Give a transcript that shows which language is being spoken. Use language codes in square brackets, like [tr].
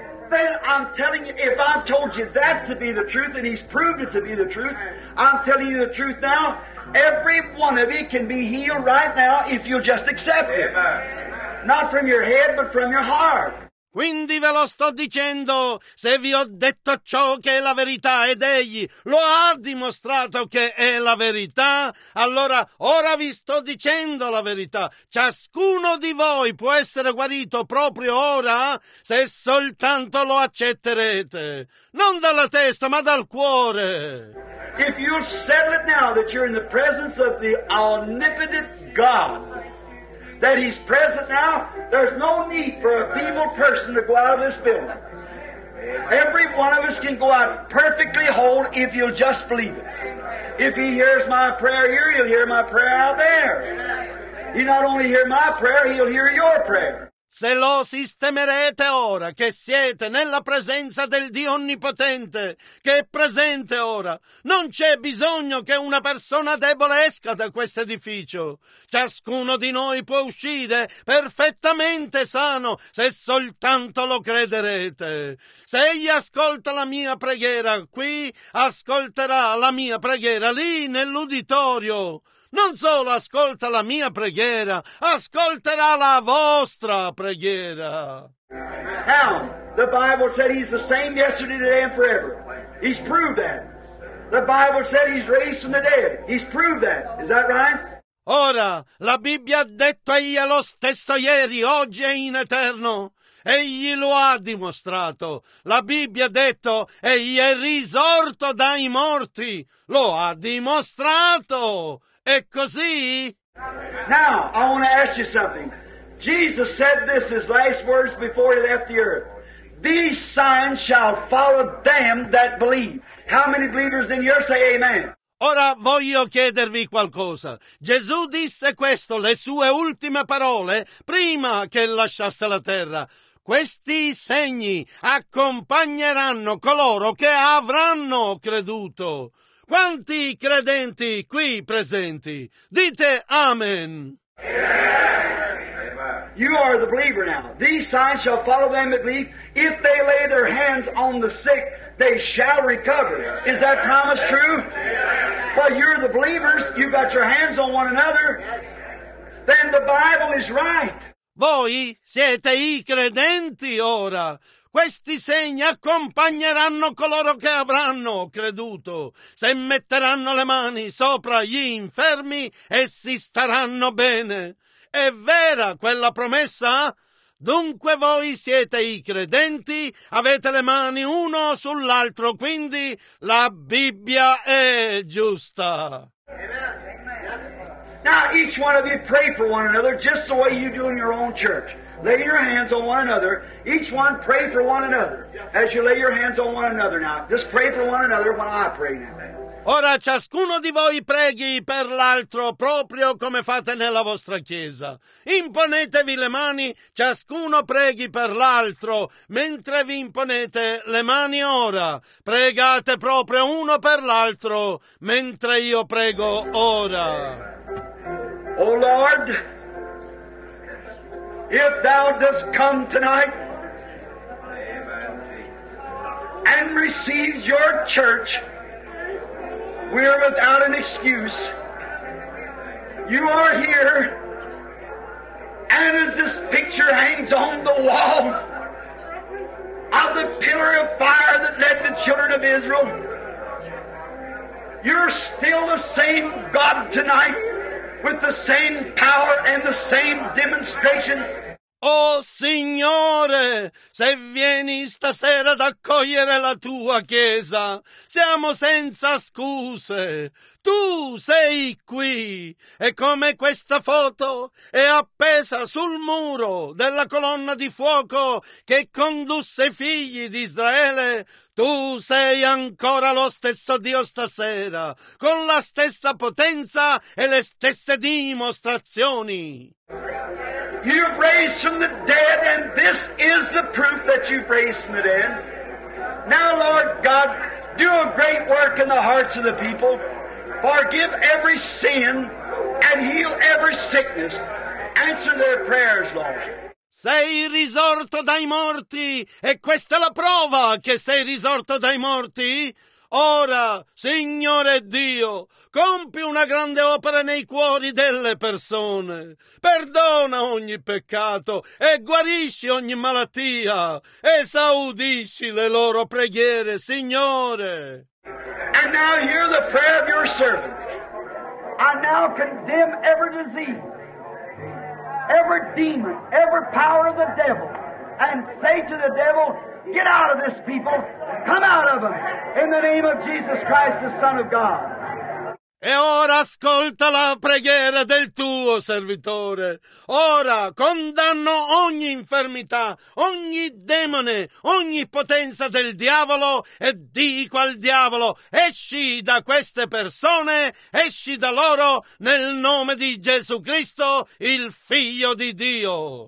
[en] Then I'm telling you, if I've told you that to be the truth, and he's proved it to be the truth, I'm telling you the truth now, every one of you can be healed right now if you'll just accept it. Not from your head, but from your heart. [it] Quindi ve lo sto dicendo, se vi ho detto ciò che è la verità ed egli lo ha dimostrato che è la verità, allora ora vi sto dicendo la verità. Ciascuno di voi può essere guarito proprio ora se soltanto lo accetterete, non dalla testa ma dal cuore. [en] If you settle it now that you're in the presence of the omnipotent God, that he's present now, there's no need for a feeble person to go out of this building. Every one of us can go out perfectly whole if you'll just believe it. If he hears my prayer here, he'll hear my prayer out there. He not only hear my prayer, he'll hear your prayer. [it] Se lo sistemerete ora che siete nella presenza del Dio Onnipotente, che è presente ora, non c'è bisogno che una persona debole esca da questo edificio. Ciascuno di noi può uscire perfettamente sano se soltanto lo crederete. Se egli ascolta la mia preghiera qui, ascolterà la mia preghiera lì nell'uditorio. Non solo ascolta la mia preghiera, ascolterà la vostra preghiera. [en] Now, the Bible said he's the same yesterday, today, and forever. He's proved that. The Bible said he's raised from the dead. He's proved that. Is that right? [it] Ora, la Bibbia ha detto egli è lo stesso ieri, oggi e in eterno. Egli lo ha dimostrato. La Bibbia ha detto egli è risorto dai morti. Lo ha dimostrato. È così? [en] Now, I want to ask you something. Jesus said this, his last words before he left the earth. These signs shall follow them that believe. How many believers in here say amen? [it] Ora voglio chiedervi qualcosa. Gesù disse questo, le sue ultime parole, prima che lasciasse la terra. Questi segni accompagneranno coloro che avranno creduto. Quanti credenti qui presenti? Dite amen. [en] You are the believer now. These signs shall follow them that believe. If they lay their hands on the sick, they shall recover. Is that promise true? Well, you're the believers. You've got your hands on one another. Then the Bible is right. [it] Voi siete i credenti ora. Questi segni accompagneranno coloro che avranno creduto. Se metteranno le mani sopra gli infermi, essi staranno bene. È vera quella promessa? Dunque voi siete i credenti, avete le mani uno sull'altro, quindi la Bibbia è giusta. [en] Now, each one of you pray for one another just the way you do in your own church. Lay your hands on one another. Each one pray for one another as you lay your hands on one another now. Just pray for one another while I pray now. [it] Ora ciascuno di voi preghi per l'altro proprio come fate nella vostra chiesa. Imponetevi le mani, ciascuno preghi per l'altro mentre vi imponete le mani ora. Pregate proprio uno per l'altro mentre io prego ora. [en] Oh Lord, if thou dost come tonight and receives your church, we are without an excuse. You are here, and as this picture hangs on the wall of the pillar of fire that led the children of Israel, you're still the same God tonight with the same power and the same demonstrations. [it] Oh Signore, se vieni stasera ad accogliere la tua chiesa, siamo senza scuse. Tu sei qui, e come questa foto è appesa sul muro della colonna di fuoco che condusse i figli di Israele, tu sei ancora lo stesso Dio stasera, con la stessa potenza e le stesse dimostrazioni. [en] You've raised from the dead, and this is the proof that you've raised from the dead. Now, Lord God, do a great work in the hearts of the people. Forgive every sin and heal every sickness. Answer their prayers, Lord. [it] Sei risorto dai morti, e questa è la prova che sei risorto dai morti. Ora, Signore Dio, compi una grande opera nei cuori delle persone. Perdona ogni peccato e guarisci ogni malattia. Esaudisci le loro preghiere, Signore. [en] And now hear the prayer of your servant. I now condemn every disease, every demon, every power of the devil, and say to the devil, get out of this people, come out of them, in the name of Jesus Christ, the Son of God. [it] E ora ascolta la preghiera del tuo servitore. Ora condanno ogni infermità, ogni demone, ogni potenza del diavolo e dico al diavolo, esci da queste persone, esci da loro nel nome di Gesù Cristo, il Figlio di Dio.